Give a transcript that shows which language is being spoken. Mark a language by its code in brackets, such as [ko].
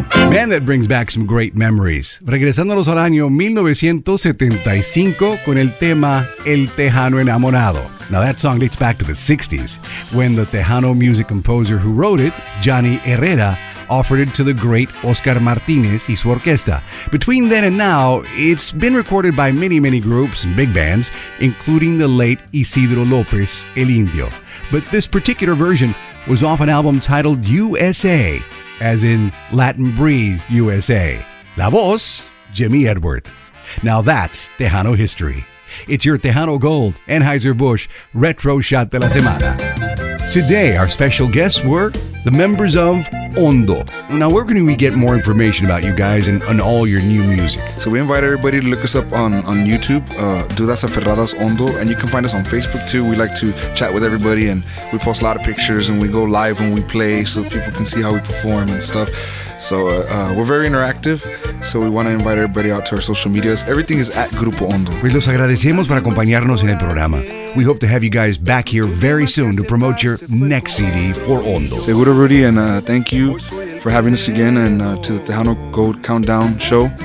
[en] Man, that brings back some great memories. [es] Regresándonos al año 1975 con el tema El Tejano Enamorado. [en] Now that song dates back to the 60s, when the Tejano music composer who wrote it, Johnny Herrera, offered it to the great Oscar Martinez y su orquesta. Between then and now, it's been recorded by many, many groups and big bands, including the late Isidro López, El Indio. But this particular version was off an album titled USA, as in Latin breed USA. [es] La voz, [en] Jimmy Edward. Now that's Tejano history. It's your Tejano Gold, Anheuser-Busch, Retro Shot de la Semana. Today, our special guests were the members of Hondo. Now, where can we get more information about you guys and all your new music? So we invite everybody to look us up on YouTube, Dudas Aferradas Hondo, and you can find us on Facebook too. We like to chat with everybody, and we post a lot of pictures, and we go live when we play so people can see how we perform and stuff. So we're very interactive, so we want to invite everybody out to our social medias. Everything is at Grupo Hondo. [es] Pues los agradecemos por acompañarnos en el programa. [en] We hope to have you guys back here very soon to promote your next CD for Hondo. Seguro, Rudy, and thank you for having us again, and to the Tejano Gold Countdown Show.